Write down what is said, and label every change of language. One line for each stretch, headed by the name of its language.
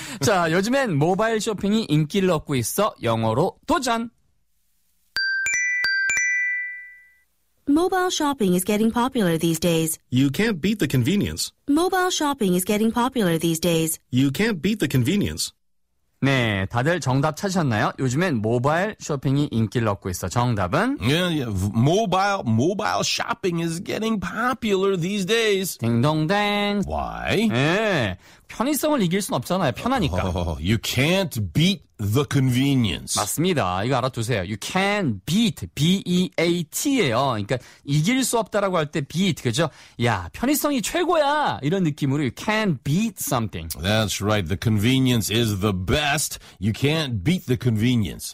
Korean: 자, 요즘엔 모바일 쇼핑이 인기를 얻고 있어. 영어로 도전!
English: Mobile shopping is getting popular these days. You can't beat the convenience. Mobile shopping is getting popular these days. You can't beat the convenience.
Korean: 네, 다들 정답 찾으셨나요? 요즘엔 모바일 쇼핑이 인기를 얻고 있어. 정답은?
English: Yeah, yeah. Mobile shopping is getting popular these days.
Korean: 딩동댕.
English: Why?
Korean: 네, 편의성을 이길 순 없잖아요. 편하니까.
English: You can't beat the convenience.
Korean: 맞습니다. 이거 알아두세요.
English: You can't beat.
Korean: B-E-A-T예요. 그러니까 이길 수 없다라고 할 때 beat. 그죠? 야, 편의성이 최고야. 이런 느낌으로
English: you can't beat something. That's right. The convenience is the best. You can't beat the convenience.